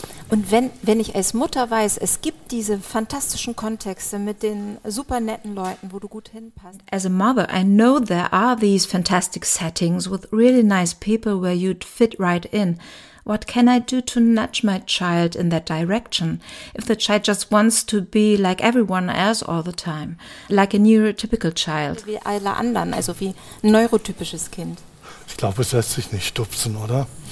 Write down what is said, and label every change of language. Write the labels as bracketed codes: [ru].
[de] Und wenn ich als Mutter weiß, es gibt diese fantastischen Kontexte mit den super netten Leuten, wo du gut hinpasst. [en] As a mother, I know there are these fantastic settings with really nice people where you'd fit right in. What can I do to nudge my child in that direction? If the child just wants to be like everyone else all the time, like a neurotypical child. [de] Wie alle anderen, also wie ein neurotypisches Kind. Ich glaube, es lässt sich nicht stupsen, oder?